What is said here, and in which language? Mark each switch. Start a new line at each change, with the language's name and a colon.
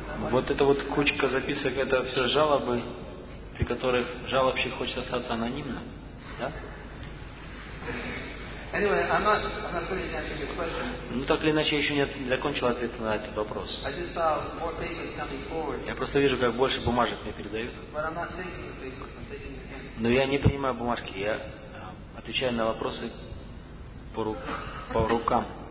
Russian: Вот эта вот кучка записок, это все жалобы, при которых жалобщик хочет остаться анонимным. Да?
English: Anyway, I'm not finished answering your question.
Russian: Ну так или иначе, я еще не закончил ответ на этот вопрос.
English: I just saw more papers coming forward.
Russian: Я просто вижу, как больше бумажек мне передают.
English: But I'm not taking the papers, I'm taking the hand.
Russian: Но я не принимаю бумажки, я отвечаю на вопросы по рукам.